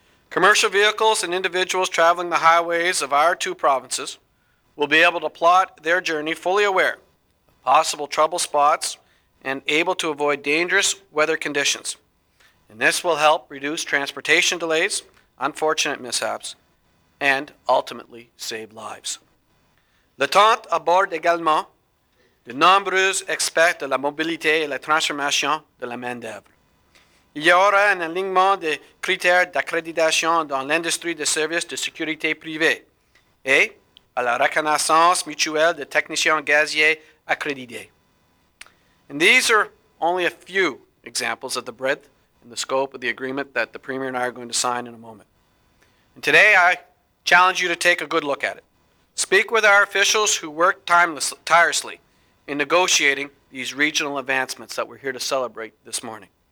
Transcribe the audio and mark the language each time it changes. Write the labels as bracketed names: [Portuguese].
[English] Commercial vehicles and individuals traveling the highways of our two provinces will be able to plot their journey fully aware of possible trouble spots and able to avoid dangerous weather conditions. And this will help reduce transportation delays, unfortunate mishaps, and ultimately save lives. [French] L'entente aborde également de nombreux aspects de la mobilité et la transformation de la main-d'œuvre. Il y aura un alignement des critères d'accréditation dans l'industrie des services de sécurité privée et à la reconnaissance mutuelle des techniciens gaziers accrédités. [English] And these are only a few examples of the breadth and the scope of the agreement that the Premier and I are going to sign in a moment. And today I challenge you to take a good look at it. Speak with our officials who worked tirelessly in negotiating these regional advancements that we're here to celebrate this morning.